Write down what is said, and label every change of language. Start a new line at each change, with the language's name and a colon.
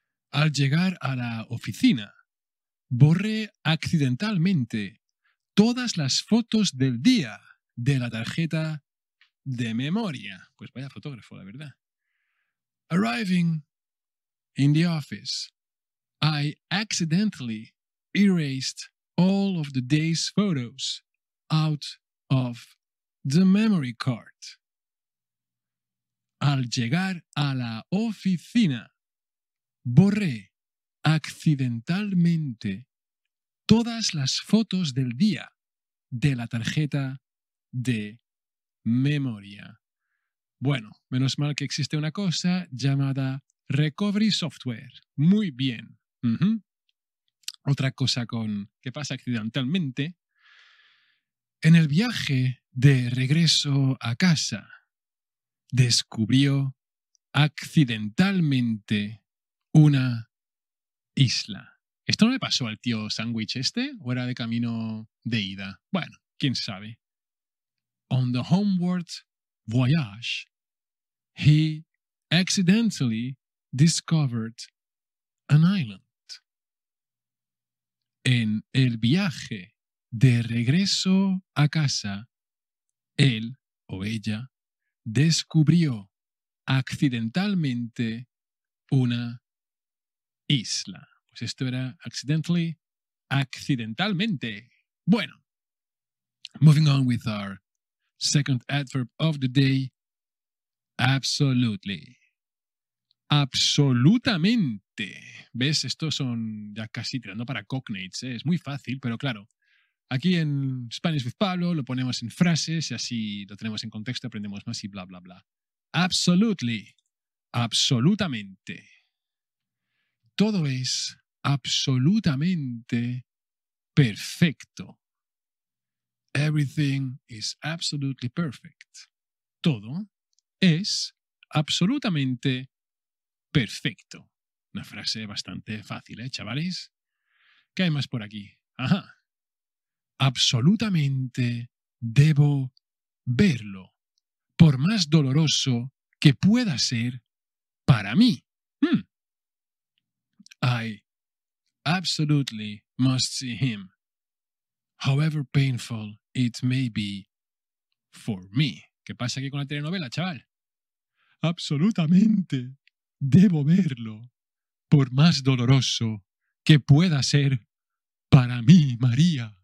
Spanish: Al llegar a la oficina, borré accidentalmente todas las fotos del día de la tarjeta de memoria. Pues vaya fotógrafo, la verdad.
English: Arriving in the office, I accidentally erased all of the day's photos out of the memory card.
Spanish: Al llegar a la oficina, borré accidentalmente todas las fotos del día de la tarjeta de memoria. Bueno, menos mal que existe una cosa llamada Recovery Software. Muy bien. Otra cosa con que pasa accidentalmente. En el viaje de regreso a casa, descubrió accidentalmente una isla. ¿Esto no le pasó al tío Sandwich este? ¿O era de camino de ida? Bueno, quién sabe.
English: On the homeward voyage, he accidentally discovered an island.
Spanish: En el viaje de regreso a casa, él o ella descubrió accidentalmente una isla. Pues esto era accidentally, accidentalmente.
English: Bueno, moving on with our second adverb of the day, absolutely.
Spanish: Absolutamente. ¿Ves? Estos son ya casi tirando para cognates, ¿eh? Es muy fácil, pero claro, aquí en Spanish with Pablo lo ponemos en frases y así lo tenemos en contexto, aprendemos más y bla, bla, bla. Absolutely. Absolutamente. Todo es absolutamente perfecto.
English: Everything is absolutely perfect.
Spanish: Todo es absolutamente perfecto. Una frase bastante fácil, ¿eh, chavales? ¿Qué hay más por aquí? Ajá. Absolutamente debo verlo, por más doloroso que pueda ser para mí.
English: I absolutely must see him, however painful it may be for me.
Spanish: ¿Qué pasa aquí con la telenovela, chaval? Absolutamente debo verlo, por más doloroso que pueda ser para mí, María.